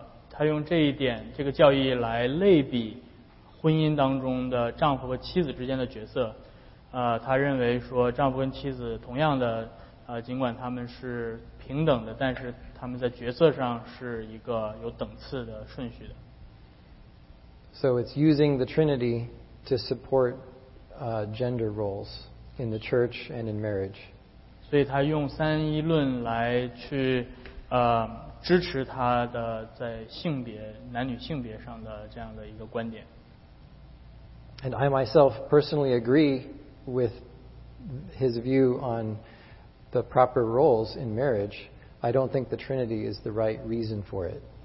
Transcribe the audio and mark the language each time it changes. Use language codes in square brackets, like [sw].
[zh] 他用这一点这个教义来类比婚姻当中的丈夫和妻子之间的角色。他认为说丈夫跟妻子同样的尽管他们是平等的，但是他们在角色上是一个有等次的顺序的。 [en] So it's using the Trinity to support gender roles in the church and in marriage. [zh] 所以他用三一论来去支持他的在性别男女性别上的这样的一个观点。 [en] And I myself personally agree with his view on the proper roles in marriage. I don't think the Trinity is the right reason for it.